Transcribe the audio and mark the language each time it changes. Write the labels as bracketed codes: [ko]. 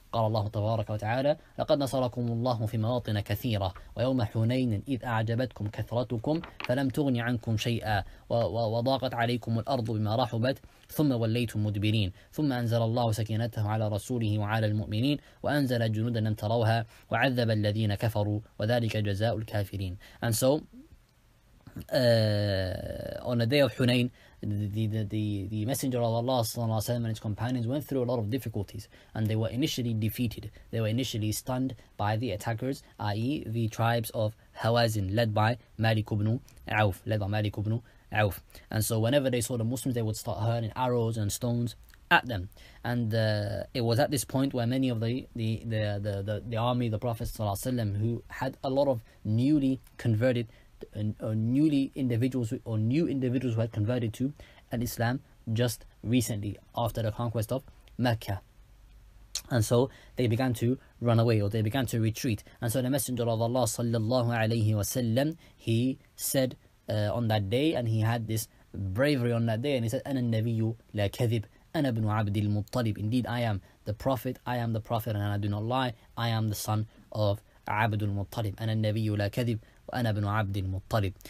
[ar] قال الله تبارك وتعالى لقد نصركم الله في مواطن كثيرة ويوم حنين إذ أعجبتكم كثرتكم فلم تغن عنكم شيئا وضاقت عليكم الأرض بما رحبت ثم وليتم مدبرين ثم أنزل الله سكينته على رسوله وعلى المؤمنين وأنزل جنودا لم تروها وعذب الذين كفروا وذلك جزاء الكافرين. [en] And so on the day of Hunayn, the Messenger of Allah sallallahu alaihi wasallam and his companions went through a lot of difficulties, and they were initially defeated. They were initially stunned by the attackers, i.e. the tribes of Hawazin, led by Malik ibn Auf. And so whenever they saw the Muslims, they would start hurling arrows and stones at them. And it was at this point where many of the army, the Prophet sallallahu alaihi wasallam, who had a lot of newly converted new individuals who had converted to an Islam just recently after the conquest of Mecca, and so they began to run away, or they began to retreat. And so the Messenger of Allah sallallahu alayhi wasallam, he said on that day, and he had this bravery on that day, and he said, [ar] أنا النبي لا كذب أنا ابن عبد المطلب. [en] Indeed, I am the prophet and I do not lie. I am the son of عبد المطلب. [ar] أنا النبي لا كذب وأنا ابن عبد المطلب.